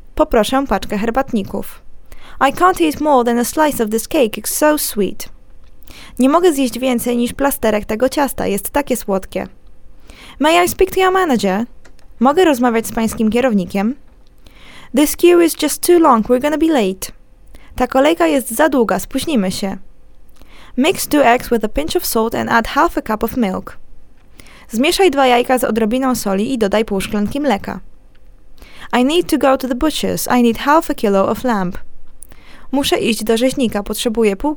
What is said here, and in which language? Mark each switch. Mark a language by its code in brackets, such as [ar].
[pl] Poproszę paczkę herbatników. [en] I can't eat more than a slice of this cake, it's so sweet. [pl] Nie mogę zjeść więcej niż plasterek tego ciasta, jest takie słodkie. [en] May I speak to your manager? [pl] Mogę rozmawiać z pańskim kierownikiem? [en] This queue is just too long, we're gonna be late. [pl] Ta kolejka jest za długa, spóźnimy się. [en] Mix two eggs with a pinch of salt and add half a cup of milk. [pl] Zmieszaj dwa jajka z odrobiną soli i dodaj pół szklanki mleka. [en] I need to go to the butcher's. I need half a kilo of lamb. [pl] Muszę iść do rzeźnika. Potrzebuję pół kilo jagnięciny. Zadanie.